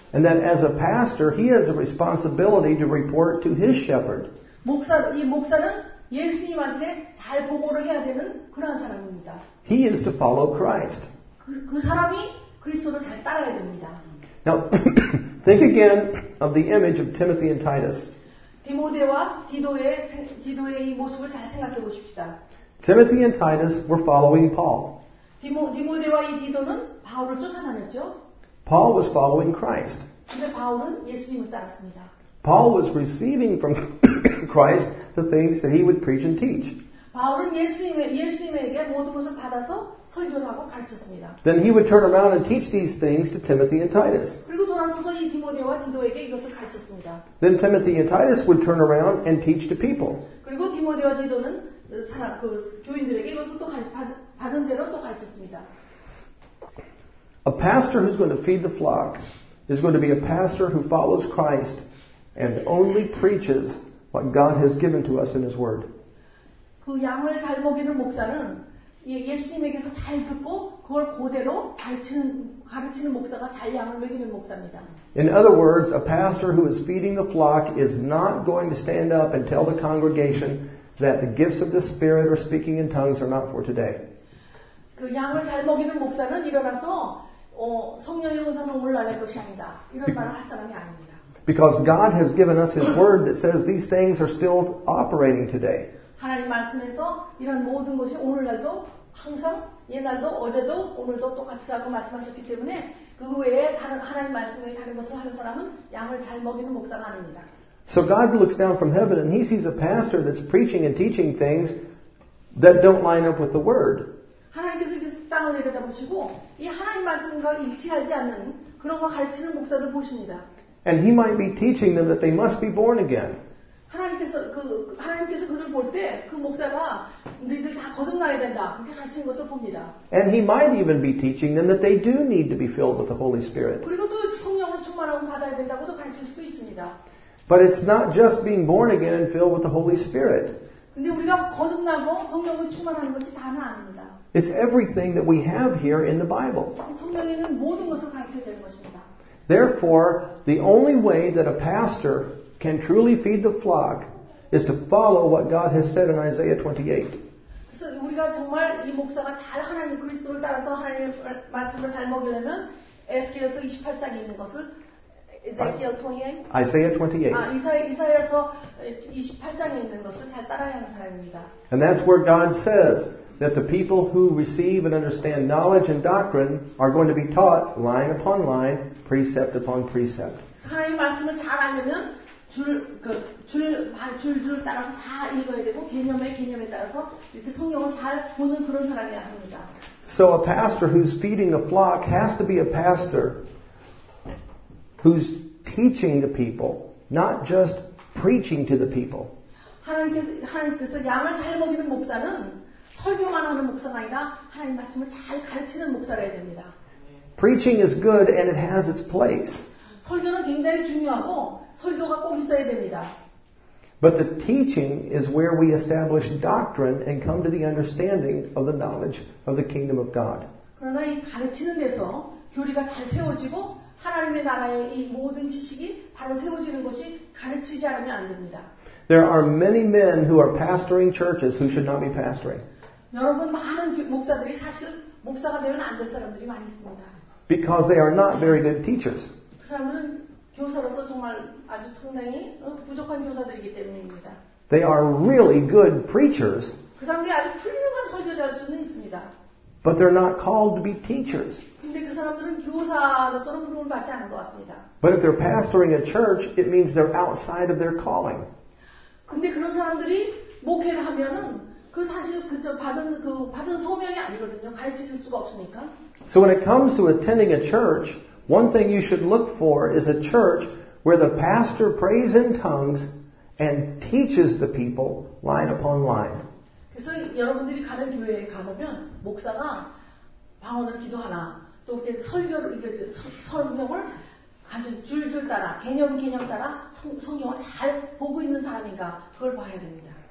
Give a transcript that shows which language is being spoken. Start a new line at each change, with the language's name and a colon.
English: And then as a pastor, he has a responsibility to report to his shepherd.
Korean: 이 목사는 예수님한테 잘 보고를 해야 되는 그런 사람입니다.
English: He is to follow Christ.
Korean: 그 사람이 그리스도를 잘 따라야 됩니다.
English: Now, think again of the image of Timothy and Titus.
Korean: 디모데와 디도의 이 모습을 잘 생각해 보십시다.
English: Timothy and Titus were following Paul.
Korean: 디모데와 이 디도는 바울을 쫓아다녔죠.
English: Paul was following Christ.
Korean: 근데 바울은 예수님을 따랐습니다.
English: Paul was receiving from Christ the things that he would preach and teach.
Korean: 바울은 예수님에게 모든 것을 받아서 설교를 하고 가르쳤습니다.
English: Then he would turn around and teach these things to Timothy and Titus.
Korean: 그리고 돌아서서 이 디모데와 디도에게 이것을 가르쳤습니다.
English: Then Timothy and Titus would turn around and teach to people.
Korean: 그리고 디모데와 디도는 교인들에게 이것을 또 받은 대로 또 가르쳤습니다.
English: A pastor who's going to feed the flock is going to be a pastor who follows Christ and only preaches what God has given to us in His Word.
Korean: 그 양을 잘 먹이는 목사는 예수님에게서 잘 듣고 그걸 그대로 가르치는 목사가 잘 양을 먹이는 목사입니다.
English: In other words, a pastor who is feeding the flock is not going to stand up and tell the congregation that the gifts of the Spirit or speaking in tongues are not for today.
Korean: 그 양을 잘 먹이는 목사는 일어나서 성령의 은사는 오늘날의 것이 아니다. 이런 말을 할 사람이 아닙니다.
English: Because God has given us His Word that says these things are still operating today.
Korean: 하나님 말씀에서 이런 모든 것이 오늘날도 항상 옛날도 어제도 오늘도 똑같다고 말씀하셨기 때문에 그 외에 다른 하나님 말씀에 다른 것을 하는 사람은 양을 잘 먹이는 목사가 아닙니다.
English: So God looks down from heaven and He sees a pastor that's preaching and teaching things that don't line up with the Word.
Korean: 하나님께서 이렇게 땅을 내려다보시고 이 하나님 말씀과 일치하지 않는 그런 걸 가르치는 목사를 보십니다.
English: And He might be teaching them that they must be born again.
Korean: 하나님께서 그들 볼 때 그 목사가 너희들 다 거듭나야 된다 그렇게 가르치는 것을 봅니다.
English: And He might even be teaching them that they do need to be filled with the Holy Spirit.
Korean: 그리고 또 성령을 충만하고 받아야 된다고도 가르칠 수도 있습니다.
English: But it's not just being born again and filled with the Holy Spirit.
Korean: 근데 우리가 거듭나고 성령을 충만하는 것이 다는 아닙니다.
English: It's everything that we have here in the Bible.
Korean: 성경에는 모든 것을 가르쳐야 되는 것입니다.
English: Therefore, the only way that a pastor can truly feed the flock is to follow what God has said in Isaiah 28.
Korean: 그래서 우리가 정말 이 목사가 잘 하나님 그리스도를 따라서 하나님의 말씀을 잘 먹이려면 에스겔서 28장에 있는 것을
English: Isaiah 28.
Korean: 이사야서 28장에 있는 것을 잘 따라야 하는 사람입니다.
English: And that's where God says that the people who receive and understand knowledge and doctrine are going to be taught line upon line, precept upon precept.
Korean: 하나님 말씀을 잘 알면 줄줄 따라서 다 읽어야 되고 개념에 개념에 따라서 이렇게 성경을 잘 보는 그런 사람이야 합니다.
English: So a pastor who's feeding the flock has to be a pastor who's teaching the people, not just preaching to the people.
Korean: 하나님께서 양을 잘 먹이는 목사는 설교만 하는 목사가 아니라 하나님 말씀을 잘 가르치는 목사라야 됩니다.
English: Preaching is good and it has its place.
Korean: 설교는 굉장히 중요하고 설교가 꼭 있어야 됩니다.
English: But the teaching is where we establish doctrine and come to the understanding of the knowledge of the kingdom of God.
Korean: 그러나 이 가르치는 데서 교리가 잘 세워지고 하나님의 나라의 이 모든 지식이 바로 세워지는 것이 가르치지 않으면 안 됩니다.
English: There are many men who are pastoring churches who should not be pastoring.
Korean: 여러분 많은 목사들이 사실 목사가 되면 안 될 사람들이 많이 있습니다.
English: Because they are not very good teachers.
Korean: 그 사람들은 교사로서 정말 아주 상당히 부족한 교사들이기 때문입니다.
English: They are really good preachers.
Korean: 그 사람들이 아주 훌륭한 설교자일 수는 있습니다.
English: But they're not called to be teachers.
Korean: 근데 그 사람들은 교사로서는 부름을 받지 않은 것 같습니다.
English: But if they're pastoring a church, it means they're outside of their calling.
Korean: 근데 그런 사람들이 목회를 하면은 그 사실 그저 받은 소명이 아니거든요. 가르치실 수가 없으니까.
English: So when it comes to attending a church, one thing you should look for is a church where the pastor prays in tongues and teaches the people line upon line.
Korean: 그래서 여러분들이 가는 교회에 가보면 목사가 방언을 기도하나 또 이렇게 성경을 아주 줄줄 따라 개념 따라 성경을 잘 보고 있는 사람인가 그걸 봐야 됩니다.